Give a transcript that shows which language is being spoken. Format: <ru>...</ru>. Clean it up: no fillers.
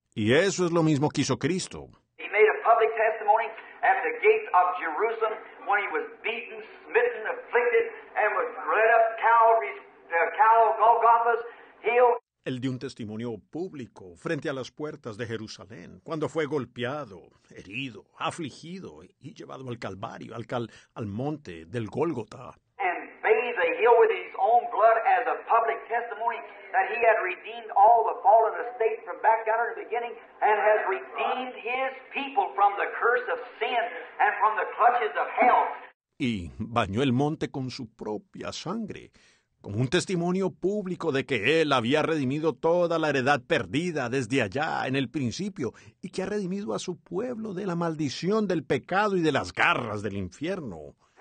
<es>Y eso es lo mismo que hizo Cristo.</es> <en>He made a public testimony at the gates of Jerusalem when he was beaten, smitten, afflicted, and was led up Calvary's Golgotha's hill.</en> <es>Él dio un testimonio público frente a las puertas de Jerusalén cuando fue golpeado, herido, afligido y llevado al Calvario, al monte del Gólgota.</es> <en>And deal with his own blood as a public testimony that he had redeemed all the fallen estate from back down to the beginning and has redeemed his people from the curse of sin and from the clutches of hell.</en> <es>Y bañó el monte con su propia sangre, como un testimonio público de que él había redimido toda la heredad perdida desde allá en el principio y que ha redimido a su pueblo de la maldición del pecado y de las garras del infierno.</es>